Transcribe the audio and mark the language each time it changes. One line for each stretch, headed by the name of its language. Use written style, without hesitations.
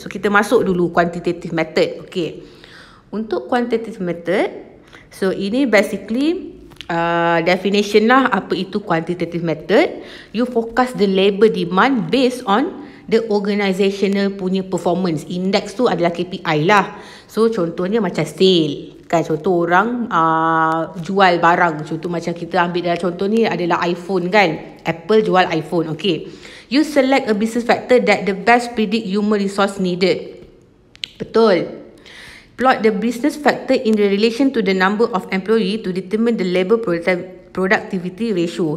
Malay: So kita masuk dulu quantitative method. Okay. Untuk quantitative method, so ini basically definition lah apa itu quantitative method.
English: You focus the labor demand based on the organisational punya performance.
Malay: Index tu adalah KPI lah. So contohnya macam sale. Kan contoh orang jual barang. Contoh macam kita ambil dalam contoh ni adalah iPhone kan. Apple jual iPhone. Okay.
English: You select a business factor that the best predict human resource needed. Betul. Plot the business factor in the relation to the number of employee to determine the labor productivity ratio.